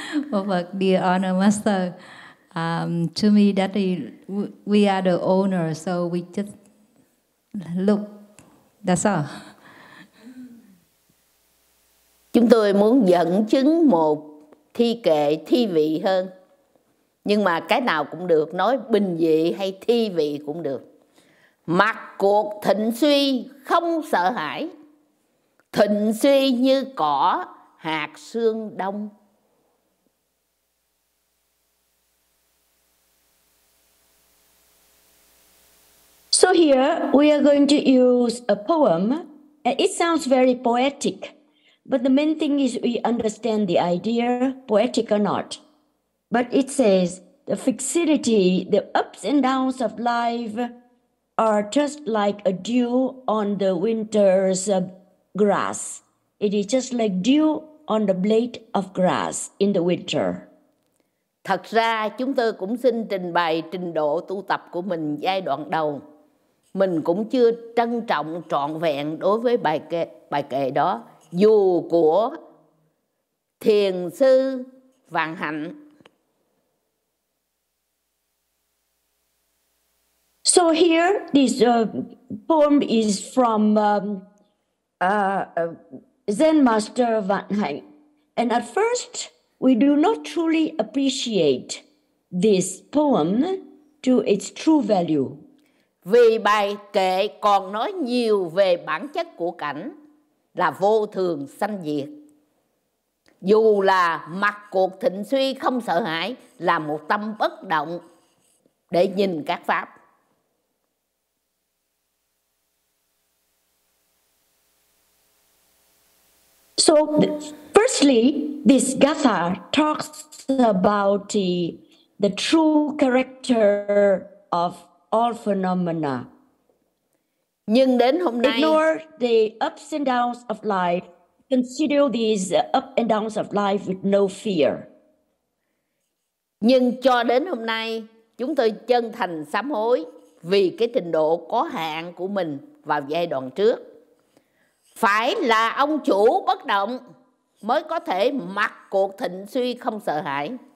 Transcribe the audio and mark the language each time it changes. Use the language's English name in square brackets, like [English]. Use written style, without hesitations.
[Vietnamese] Một Phật, [English] dear honor master, to me that we are the owner, so we just look, that's all. [Vietnamese] Chúng tôi muốn dẫn chứng một thi kệ thi vị hơn, nhưng mà cái nào cũng được, nói bình dị hay thi vị cũng được. Mặc cuộc thịnh suy không sợ hãi, thịnh suy như cỏ hạt sương đông. [English] So here we are going to use a poem. It sounds very poetic, but the main thing is we understand the idea, poetic or not. But it says the fixity, the ups and downs of life are just like a dew on the winter's grass. It is just like dew on the blade of grass in the winter. [Vietnamese] Thật ra chúng tôi cũng xin trình bày trình độ tu tập của mình giai đoạn đầu. Mình cũng chưa trân trọng trọn vẹn đối với bài kệ đó. Dù của Thiền Sư Vạn Hạnh. [English] So here, this poem is from Zen Master Vạn Hạnh. And at first, we do not truly appreciate this poem to its true value. [Vietnamese] Vì bài kệ còn nói nhiều về bản chất của cảnh là vô thường sanh diệt. Dù là mặc cuộc thịnh suy không sợ hãi, là một tâm bất động, để nhìn các pháp. [English] So firstly, this gatha talks about the true character of all phenomena. [Vietnamese] Nhưng đến hôm nay, [English] ignore the ups and downs of life. Consider these ups and downs of life with no fear. [Vietnamese] Nhưng cho đến hôm nay, chúng tôi chân thành sám hối vì cái trình độ có hạn của mình vào giai đoạn trước. Phải là ông chủ bất động mới có thể mặc cuộc thịnh suy không sợ hãi.